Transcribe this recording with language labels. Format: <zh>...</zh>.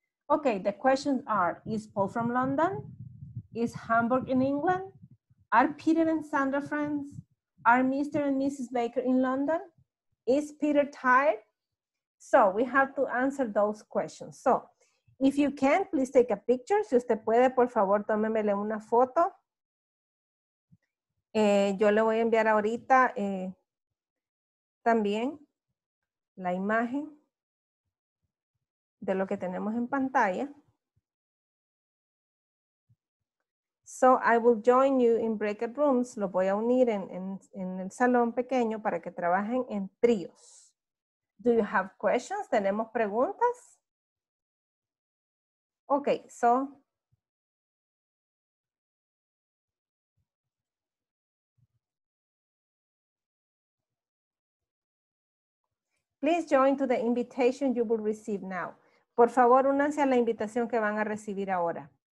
<en>Okay, the questions are, is Paul from London? Is Hamburg in England? Are Peter and Sandra friends? Are Mr. and Mrs. Baker in London? Is Peter tired? So we have to answer those questions. So if you can, please take a picture.</en> <es>Si usted puede, por favor, tómemele una foto. Yo le voy a enviar ahorita también la imagen de lo que tenemos en pantalla.</es> <en>So I will join you in breakout rooms.</en> <es>Lo voy a unir en el salón pequeño para que trabajen en tríos.</es> <en>Do you have questions?</en> <es>¿Tenemos preguntas? Okay, so.</es> <en>Please join to the invitation you will receive now.</en> <es>Por favor, únanse a la invitación que van a recibir ahora.</es>